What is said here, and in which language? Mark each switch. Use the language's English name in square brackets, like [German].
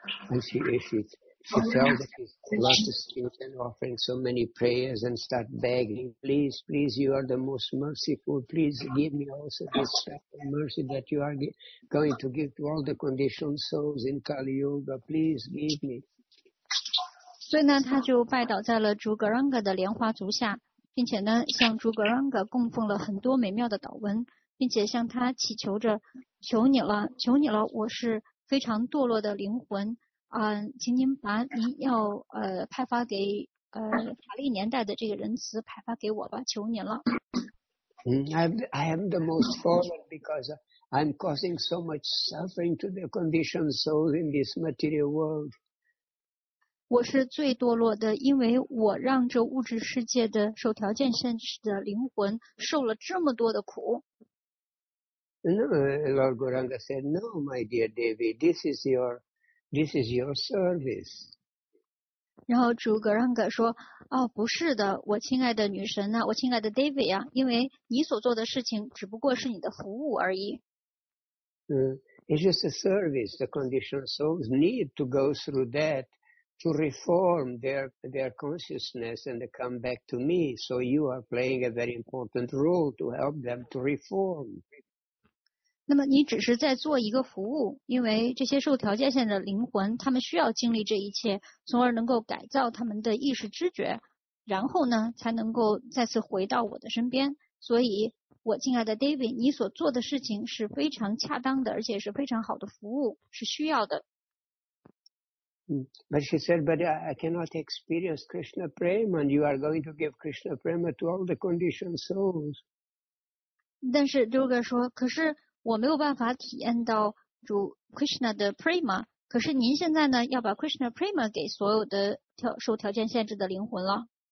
[English] And she felt that he lost his strength and offering so many prayers and start begging, please, please, you are the most merciful, please give me also this special mercy that you are going to give to all the conditioned souls in Kali Yuga, please give me. [Chinese] 所以呢，他就拜倒在了主 Goranga 的莲花足下。并且呢，向主 Goranga 供奉了很多美妙的祷文，并且向他祈求着，求你了，求你了，我是非常堕落的灵魂，请您把您要派发给法力年代的这个仁慈派发给我吧，求您了。 [English] I am the most fallen because I'm causing so much suffering to the conditioned souls in this material world. [Chinese] 我是最堕落的，因为我让这物质世界的受条件限制的灵魂受了这么多的苦。 [English] No, Lord Goranga said, "No, my dear Devi, this is your service." [Chinese] 然后主 Goranga 说，哦，不是的，我亲爱的女神啊，我亲爱的 Devi 啊，因为你所做的事情只不过是你的服务而已。 [English] It's just a service. The conditioned souls need to go through that. To reform their consciousness and come back to me. So you are playing a very important role to help them to reform. [Chinese] 那么你只是在做一个服务，因为这些受条件限制的灵魂，他们需要经历这一切，从而能够改造他们的意识知觉，然后呢，才能够再次回到我的身边。所以，我亲爱的 David， 你所做的事情是非常恰当的，而且是非常好的服务，是需要的。 [English] But she said, but I cannot experience Krishna Prema, and you are going to give Krishna Prema to all the conditioned souls. [Chinese] 但是 Durga 说，可是我没有办法体验到主 Krishna 的 Prema， 可是您现在呢，要把 Krishna Prema 给所有的受条件限制的灵魂了。